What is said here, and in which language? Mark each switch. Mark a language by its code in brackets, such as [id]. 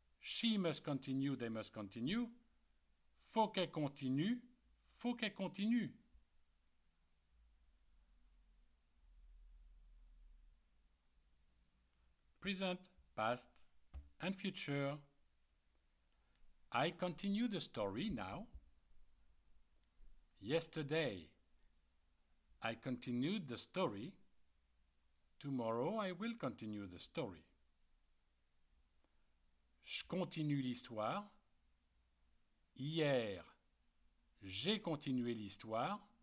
[en] She must continue, they must continue. [fr] Faut qu'elle continue, faut qu'elle continue. [en] Present, past, and future. I continue the story now. Yesterday, I continued the story. Tomorrow, I will continue the story. [fr] Je continue l'histoire. Hier, j'ai continué l'histoire.